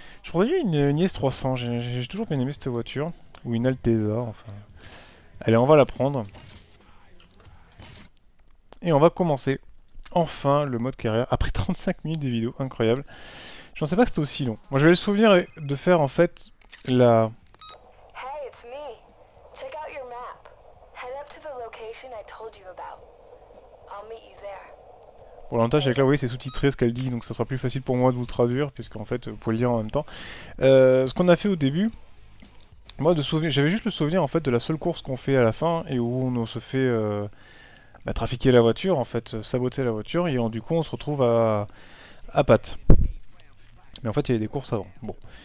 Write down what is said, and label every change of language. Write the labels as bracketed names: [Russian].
[French] Je prendrais bien une IS-300, j'ai toujours bien aimé cette voiture. Ou une Altezza, enfin. Allez, on va la prendre. Et on va commencer. Enfin, le mode carrière, après 35 minutes de vidéo, incroyable. Je pensais pas que c'était aussi long. Moi, j'avais le souvenir de faire, en fait, la... [English] Hey, it's me. Check out your map. Head up to the location I told you about. I'll meet you there. [French] Bon, l'avantage, c'est que là, vous voyez, c'est sous-titré ce qu'elle dit, donc ça sera plus facile pour moi de vous le traduire, puisqu'en fait, vous pouvez le lire en même temps. Ce qu'on a fait au début... Moi, j'avais juste le souvenir, en fait, de la seule course qu'on fait à la fin, et où on se fait... trafiquer la voiture, en fait, saboter la voiture, et du coup on se retrouve à pattes. Mais en fait il y a des courses avant. Bon.